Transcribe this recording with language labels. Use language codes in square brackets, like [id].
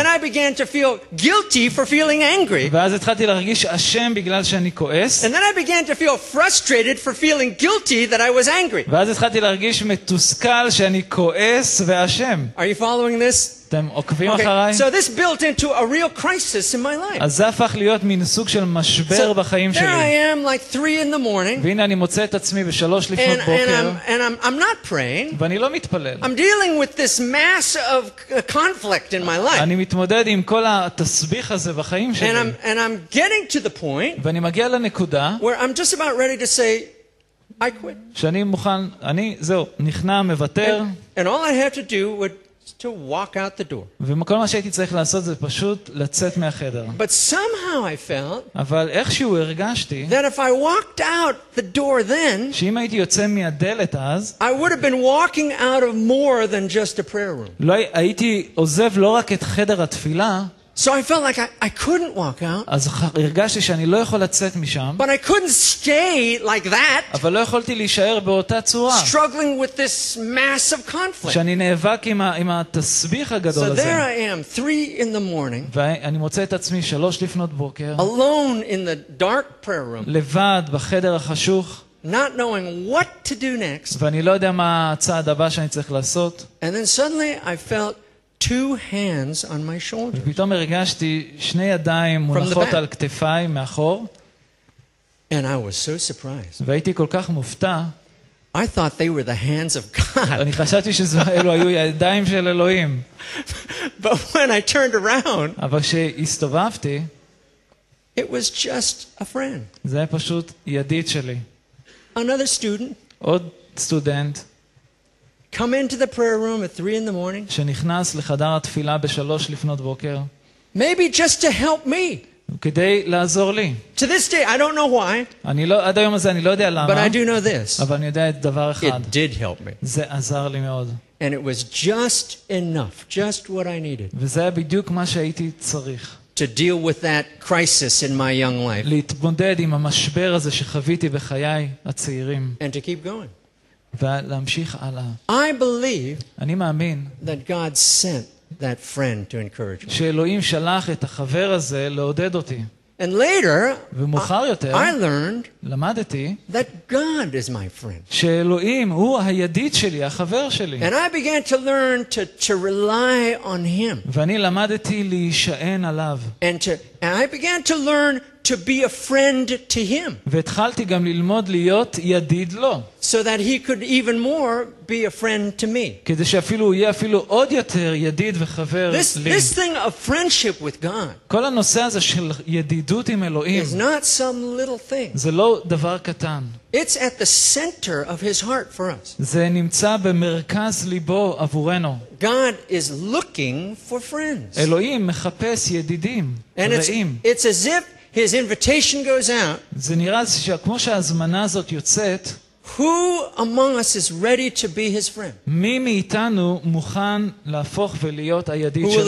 [en] And then I began to feel guilty for feeling angry. [he] ואז התחלתי להרגיש אשם בגלל שאני כועס. [en] And then I began to feel frustrated for feeling guilty that I was angry. [he] ואז התחלתי להרגיש מתוסכל שאני כועס ואשם. [en] Are you following this? [he] אתם עוקבים אחריי? [en] So this built into a real crisis in my life. [he] אז זה הפך להיות מין סוג של משבר בחיים שלי. [en] There I am like 3 in the morning. [he] והנה אני מוצא את עצמי ב-3 לפנות בוקר. [en] And I'm not praying. [he] ואני לא מתפלל. [en] I'm dealing with this mass of conflict in my life. [he] אני מתמודד עם כל התסביך הזה בחיים שלי. [en] And I'm getting to the point. [he] ואני מגיע לנקודה. [en] Where I'm just about ready to say I quit. [he] שאני מוכן, אני זהו, נכנע, מבטר. [en] And all I had to do was to walk out the door. [he] וכל מה שהייתי צריך לעשות זה פשוט לצאת מהחדר. [en] But somehow I felt, [he] אבל איכשהו הרגשתי, [en] that if I walked out the door then, [he] שאם הייתי יוצא מהדלת אז, [en] I would have been walking out of more than just a prayer room. [he] לא הייתי עוזב לא רק את חדר התפילה. [en] So I felt like I couldn't walk out. [he] אז הרגשתי שאני לא יכול לצאת משם. [en] But I couldn't stay like that. [he] אבל לא יכולתי להישאר באותה צורה. [en] Struggling with this mass of conflict. [he] שאני נאבק עם התסביך הגדול הזה. [en] So there I am, 3 in the morning. [he] ואני מוצא את עצמי 3 לפנות בוקר. [en] Alone in the dark prayer room. [he] לבד בחדר החשוך. [en] Not knowing what to do next. [he] ואני לא יודע מה הצעד הבא שאני צריך לעשות. [en] And then suddenly I felt 2 hands on my shoulders. [he] ופתאום הרגשתי שני ידיים מונחות על כתפיי מאחור. [en] And I was so surprised. [he] והייתי כל כך מופתע. [en] I thought they were the hands of God. [he] אני חשבתי שאלו היו ידיים של אלוהים. [en] But when I turned around, [he] אבל כשהסתובבתי, [en] it was just a friend. [he] זה היה פשוט ידיד שלי. [en] Another student. [he] עוד סטודנט. [en] Come into the prayer room at 3 in the morning. [he] שנכנס לחדר התפילה ב-3 לפנות בוקר. [en] Maybe just to help me. [he] כדי לעזור לי. [en] To this day I don't know why. [he] אני לא עד היום הזה אני לא יודע למה. [en] But I do know this. [he] אבל אני יודע את דבר אחד. [en] It did help me. [he] זה עזר לי מאוד. [en] And it was just enough, just what I needed. [he] וזה היה בדיוק מה שהייתי צריך. [en] To deal with that crisis in my young life. [he] להתמודד עם המשבר הזה שחוויתי בחיי הצעירים. [en] And to keep going. [he] ולהמשיך הלאה. [en] I believe, [he] אני מאמין, [en] that God sent that friend to encourage me. [he] שאלוהים שלח את החבר הזה לעודד אותי. [en] And later, [he] ומאוחר יותר, [en] I learned, [he] למדתי, [en] that God is my friend. [he] שאלוהים הוא הידיד שלי, החבר שלי. [en] And I began to learn to rely on him. [he] ואני למדתי להישען עליו. [en] And I began to learn to be a friend to him. [he] והתחלתי גם ללמוד להיות ידיד לו. [en] so that he could even more be a friend to me. [he] כדי שאפילו יהיה אפילו עוד יותר ידיד וחבר לי. [en] This thing of friendship with God. [he] כל הנושא הזה של ידידות עם אלוהים. [en] It's not some little thing. [he] זה לא דבר קטן. [en] It's at the center of his heart for us. [he] זה נמצא במרכז ליבו עבורנו. [en] God is looking for friends. [he] אלוהים מחפש ידידים, רעים. [en] And it's as if his invitation goes out. [he] זה נראה שכמו שההזמנה הזאת יוצאת. [en] Who among us is ready to be his friend? [he] מי מאיתנו מוכן להפוך ולהיות הידיד שלו?